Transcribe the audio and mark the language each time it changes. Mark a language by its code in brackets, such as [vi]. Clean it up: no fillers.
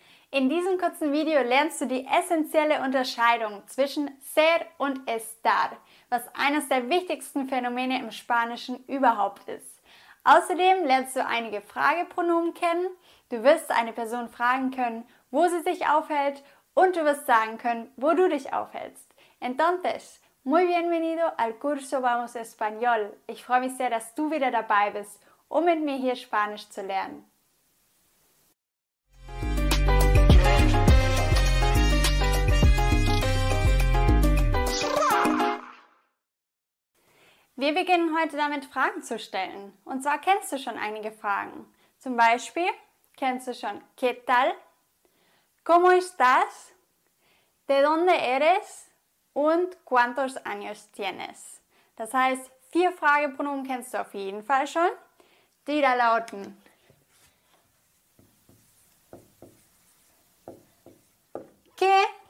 [de] In diesem kurzen Video lernst du die essentielle Unterscheidung zwischen ser und estar, was eines der wichtigsten Phänomene im Spanischen überhaupt ist. Außerdem lernst du einige Fragepronomen kennen, du wirst eine Person fragen können, wo sie sich aufhält und du wirst sagen können, wo du dich aufhältst. [es] Entonces, muy bienvenido al curso Vamos Español. [de] Ich freue mich sehr, dass du wieder dabei bist, um mit mir hier Spanisch zu lernen. Wir beginnen heute damit, Fragen zu stellen. Und zwar kennst du schon einige Fragen. Zum Beispiel kennst du schon [es] ¿Qué tal? ¿Cómo estás? ¿De dónde eres? [de] Und [es] ¿Cuántos años tienes? [de] Das heißt, vier Fragepronomen kennst du auf jeden Fall schon, die da lauten. [es] ¿Qué?